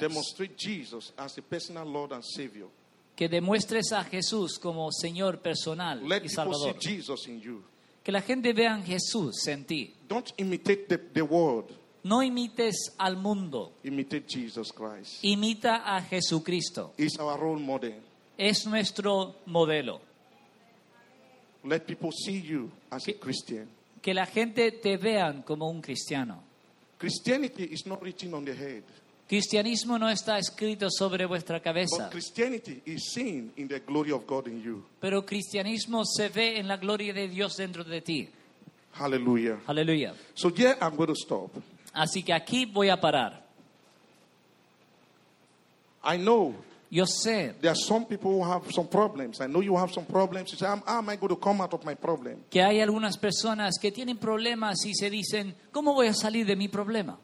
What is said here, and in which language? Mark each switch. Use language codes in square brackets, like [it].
[en] Demonstrate Jesus as a personal Lord and Savior. [es] Que demuestres a Jesús como Señor personal [en] Let [es] y Salvador. [en] See Jesus in you. [es] Que la gente vea a Jesús en ti. [en] Don't imitate the world. [es] No imites al mundo. [en] Imitate Jesus Christ. [es] Imita a Jesucristo. [en] He's our role model. [es] Es nuestro modelo. [en] Let people see you as a Christian. [es] Que la gente te vean como un cristiano. [en] Christianity is not written on the head. [es] Cristianismo no está escrito sobre vuestra cabeza. [en] But Christianity is seen in the glory of God in you. [es] Pero cristianismo se ve en la gloria de Dios dentro de ti. [en] Hallelujah. [es] Hallelujah. [en] So here I'm going to stop. [es] Así que aquí voy a parar. [en] I know. [es] Yo sé. [en] There are some people who have some problems. I know you have some problems. You say, "How am I going to come out of my problem?" [es] Que hay algunas personas que tienen problemas y se dicen, "¿Cómo voy a salir de mi problema?"